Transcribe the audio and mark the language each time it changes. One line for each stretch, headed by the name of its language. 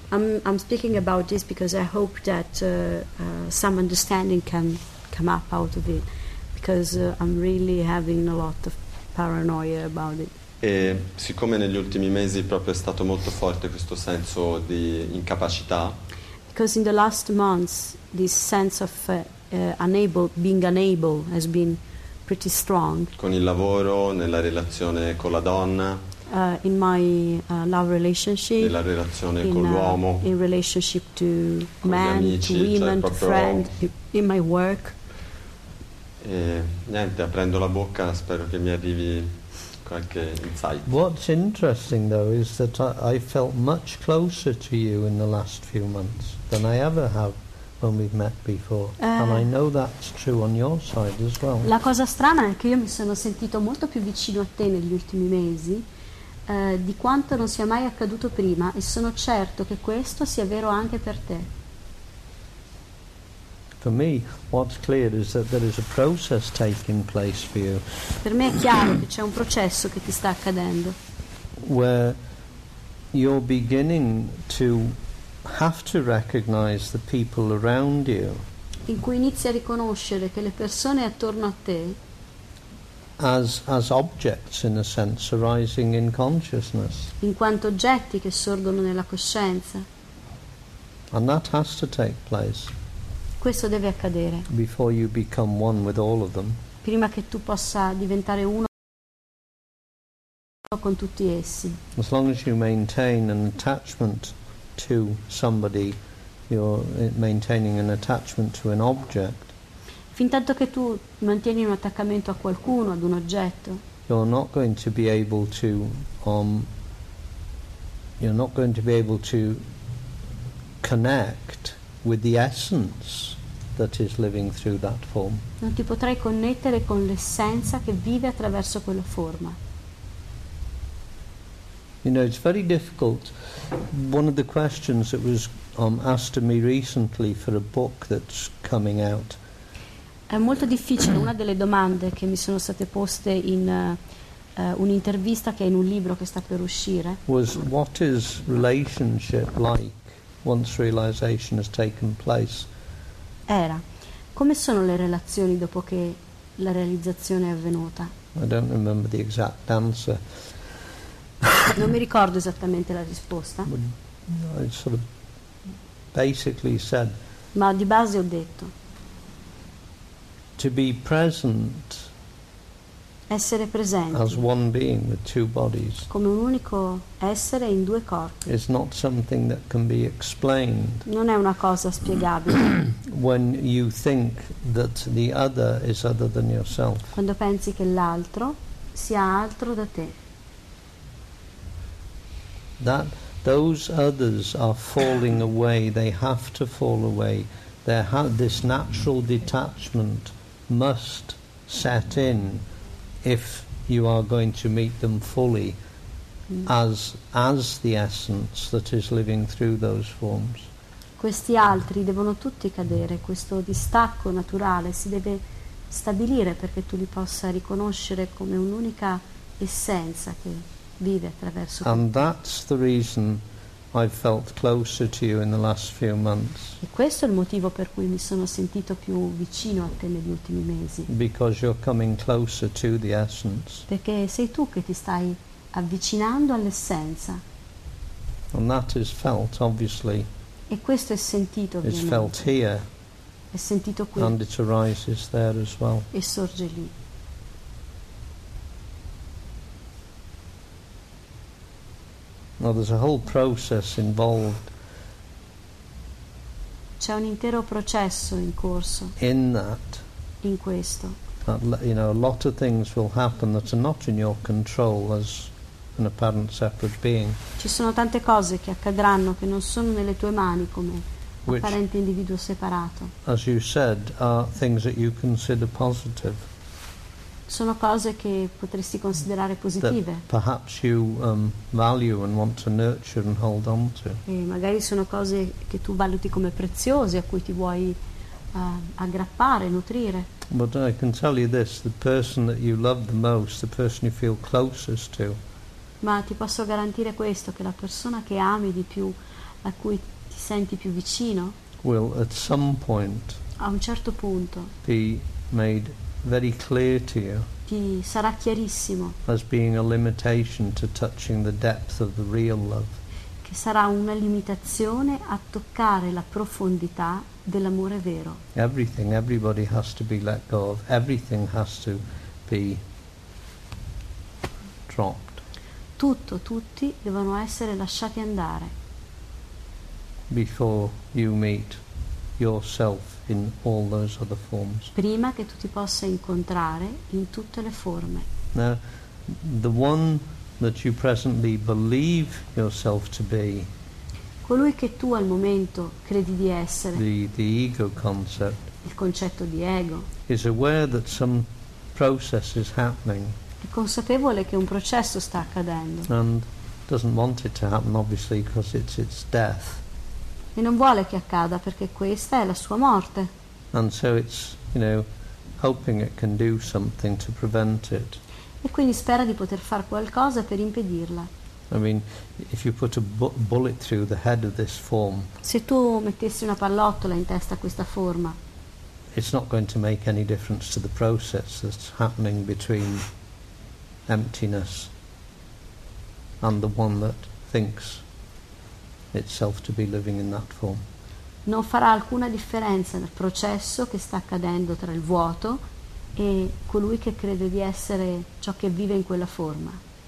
English: I'm speaking about this because I hope that some understanding can come up out of it. Because I'm really having a lot of paranoia about it.
Italian: E siccome negli ultimi mesi proprio è stato molto forte questo senso di incapacità.
English: Because in the last months this sense of being unable has been pretty strong.
Italian: Con il lavoro, nella relazione con la donna.
English: In my love relationship.
Italian: Nella relazione con l'uomo.
English: In relationship to men,
Italian: amici,
English: to women,
Italian: cioè
English: to friend, in my work.
Italian: E niente, aprendo la bocca spero che mi arrivi qualche insight.
English: What's interesting though is that I felt much closer to you in the last few months than I ever have when we've met before. And I know that's true on your side as well.
Italian: La cosa strana è che io mi sono sentito molto più vicino a te negli ultimi mesi di quanto non sia mai accaduto prima, e sono certo che questo sia vero anche per te.
English: For me, what's clear is that there is a process taking place for you.
Italian: Per me è chiaro che c'è un processo che ti sta accadendo.
English: Where you're beginning to have to recognize the people around you.
Italian: In cui inizi a riconoscere che le persone attorno a te
English: as objects in a sense arising in consciousness.
Italian: In quanto oggetti che sorgono nella coscienza.
English: And that has to take place.
Italian: Questo deve accadere.
English: Before you become one with all of them.
Italian: Prima che tu possa diventare uno con tutti essi.
English: As long as you maintain an attachment to somebody, you're maintaining an attachment to an object.
Italian: Fintanto che tu mantieni un attaccamento a qualcuno, ad un oggetto.
English: you're not going to be able to you're not going to be able to connect with the essence that is living through that form.
Italian: Non ti potrai connettere con l'essenza che vive attraverso quella forma.
English: You know, it's very difficult. One of the questions that was asked to me recently for a book that's coming out.
Italian: È molto difficile. Una delle domande che mi sono state poste in un'intervista che è in un libro che sta per uscire.
English: Was what is relationship like once realization has taken place?
Italian: Era, come sono le relazioni dopo che la realizzazione è avvenuta?
English: I don't remember the exact answer.
Italian: Non mi ricordo esattamente la risposta.
English: I sort of basically said,
Italian: ma di base ho detto,
English: to be present,
Italian: essere presente
English: as one being with two bodies,
Italian: come un unico essere in due corpi,
English: is not something that can be explained.
Italian: Non è una cosa spiegabile.
English: When you think that the other is other than yourself,
Italian: quando pensi che l'altro sia altro da te.
English: That those others are falling away, they have to fall away, this natural detachment must set in if you are going to meet them fully as the essence that is living through those forms.
Italian: Questi altri devono tutti cadere, questo distacco naturale si deve stabilire perché tu li possa riconoscere come un'unica essenza che vive attraverso.
English: And that's the reason I felt closer to you in the last few months.
Italian: E questo è il motivo per cui mi sono sentito più vicino a te negli ultimi mesi.
English: Because you're coming closer to the essence.
Italian: Perché sei tu che ti stai avvicinando all'essenza.
English: And that is felt, obviously.
Italian: E questo è sentito, ovviamente.
English: It's felt here.
Italian: È sentito qui.
English: And it arises there as well.
Italian: E sorge lì.
English: Now there's a whole process involved.
Italian: C'è un intero processo in corso.
English: In that.
Italian: In questo.
English: You know, a lot of things will happen that are not in your control as an apparent separate being.
Italian: Ci sono tante cose che accadranno che non sono nelle tue mani come apparente individuo separato.
English: As you said, are things that you consider positive.
Italian: Sono cose che potresti considerare positive.
English: That perhaps you value and want to nurture and hold on to.
Italian: E magari sono cose che tu valuti come preziose, a cui ti vuoi aggrappare, nutrire.
English: But I can tell you this, the person that you love the most, the person you feel closest to.
Italian: Ma ti posso garantire questo, che la persona che ami di più, a cui ti senti più vicino,
English: will at some point,
Italian: a un certo punto,
English: be made very clear to you.
Italian: Ti sarà chiarissimo.
English: As being a limitation to touching the depth of the real love.
Italian: Che sarà una limitazione a toccare la profondità dell'amore vero.
English: Everything, everybody has to be let go of. Everything has to be dropped.
Italian: Tutto, tutti devono essere lasciati andare.
English: Before you meet yourself in all those other forms.
Italian: Prima che tu ti possa incontrare in tutte le forme.
English: Now, the one that you presently believe yourself to be.
Italian: Colui che tu al momento credi di essere.
English: The ego concept.
Italian: Il concetto di ego.
English: Is aware that some process is happening.
Italian: È consapevole che un processo sta accadendo.
English: And doesn't want it to happen, obviously, because it's its death.
Italian: E non vuole che accada perché questa è la sua morte.
English: And so it's, you know, hoping it can do something to prevent it.
Italian: E quindi spera di poter far qualcosa per impedirla.
English: I mean, if you put a bullet through the head of this form.
Italian: Se tu mettessi una pallottola in testa a questa forma.
English: It's not going to make any difference to the process that's happening between emptiness and the one that thinks itself to be living in that form.
Italian: Non farà alcuna differenza nel processo che sta accadendo tra il vuoto e colui che crede di essere ciò che vive in quella forma.